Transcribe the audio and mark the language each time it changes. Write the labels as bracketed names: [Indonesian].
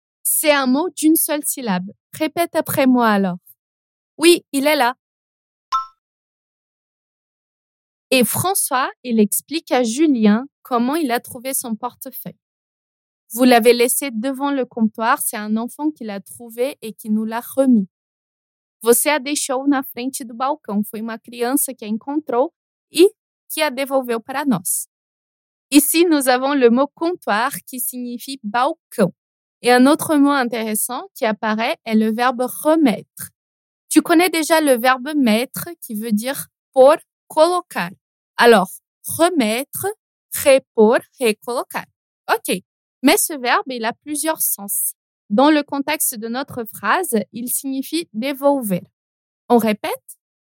[French] C'est un mot d'une seule syllabe. Répète après moi alors. « Oui, il est là. » Et François, il explique à Julien comment il a trouvé son portefeuille. Vous l'avez laissé devant le comptoir, c'est un enfant qui l'a trouvé et qui nous l'a remis. [Portuguese] Você a deixou na frente do balcão, foi uma criança que a encontrou e que a devolveu para nós. [French] Ici, nous avons le mot comptoir qui signifie balcão. Et un autre mot intéressant qui apparaît est le verbe remettre. Tu connais déjà le verbe mettre qui veut dire pôr, colocar. Alors, remettre, repor, recolocar. Ok, mais ce verbe, il a plusieurs sens. Dans le contexte de notre phrase, il signifie devolver. On répète.